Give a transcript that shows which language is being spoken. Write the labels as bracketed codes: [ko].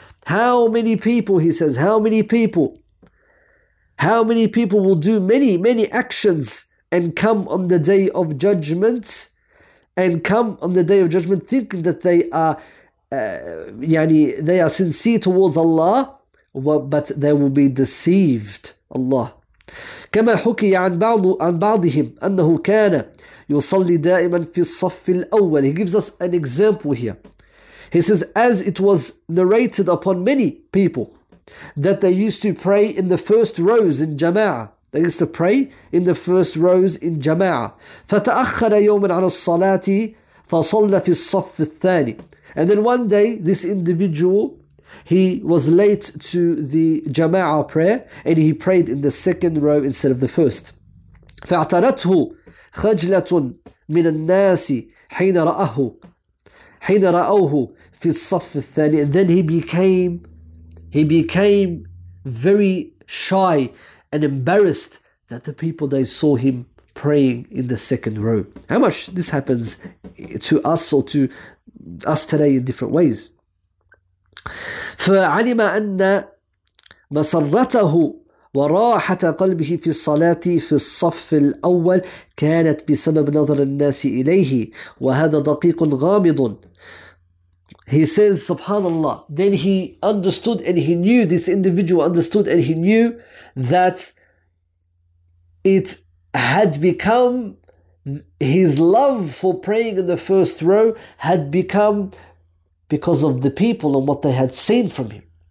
[en] How many people, he says, how many people will do many, many actions and come on the day of judgment thinking that they are they are sincere towards Allah, but they will be deceived. Allah. [ar] كما حكي عن بعضهم أنه كان يصلي دائما في الصف الأول. [en] He gives us an example here. He says, as it was narrated upon many people that they used to pray in the first rows in jama'ah. They used to pray in the first rows in jama'ah. [ar] فتأخر يوما عن الصلاة فصلى في الصف الثاني. [en] And then one day this individual, he was late to the jama'ah prayer and he prayed in the second row instead of the first. [ar] فاعترته خجلة من الناس حين رأوه في الصف الثاني. [en] And then he became very shy and embarrassed that the people, they saw him praying in the second row. How much this happens to us or to us today in different ways. [ar] فعلم أن مسرته وراحة قلبه في الصلاة في الصف الأول كانت بسبب نظر الناس إليه وهذا دقيق غامض. [en] He says, subhanallah, then he understood and he knew, this individual understood and he knew that it had become, his love for praying in the first row had become because of the people and what they had seen from him.